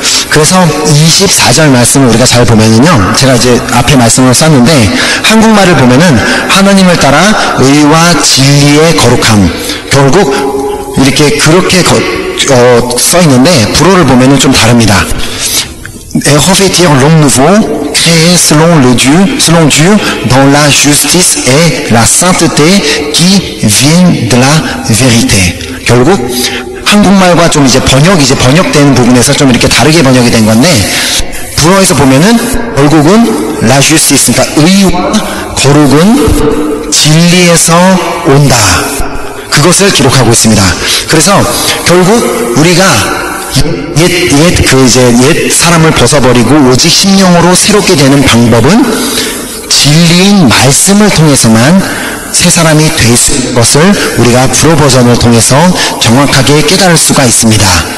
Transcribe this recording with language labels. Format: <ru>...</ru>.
<ko>그래서 24절 말씀을 우리가 잘 보면은요, 제가 이제 앞에 말씀을 썼는데 한국말을 보면은 하나님을 따라 의와 진리의 거룩함, 결국 이렇게 그렇게 써 있는데 불어를 보면은 좀 다릅니다.</ko> <fr>Et revêtir l'homme nouveau créé selon Dieu dans la justice et la sainteté qui viennent de la vérité.</fr> <ko>결국 한국말과 좀 이제 번역된 부분에서 좀 이렇게 다르게 번역이 된 건데 불어에서 보면은 결국은 la justice, 그러니까 의와 거룩은 진리에서 온다. 그것을 기록하고 있습니다. 그래서 결국 우리가 옛 사람을 벗어버리고 오직 심령으로 새롭게 되는 방법은 진리인 말씀을 통해서만 새 사람이 될 것을 우리가 불어 버전을 통해서 정확하게 깨달을 수가 있습니다.</ko>